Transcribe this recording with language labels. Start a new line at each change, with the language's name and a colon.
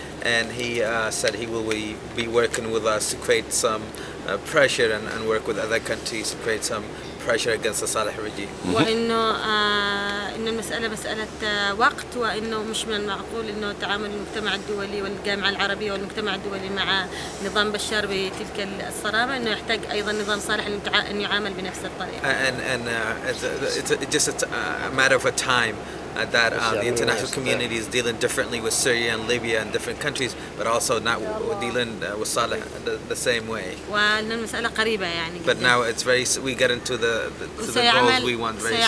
English: And he said he will be working with us to create some pressure and work with other countries to create some pressure against the Saleh regime.
Arabic: وإنه المسألة مسألة وقت وإنه مش من المعقول إنه تعامل المجتمع الدولي والجامعة العربية والمجتمع الدولي مع نظام بشار بتلك الصرامة إنه يحتاج أيضا نظام صالح أن يعامل بنفس الطريقة.
English: And it's just a matter of time. That the international community is dealing differently with Syria and Libya and different countries, but also not dealing with Saleh the same way. But now it's very. We get into the goals we want.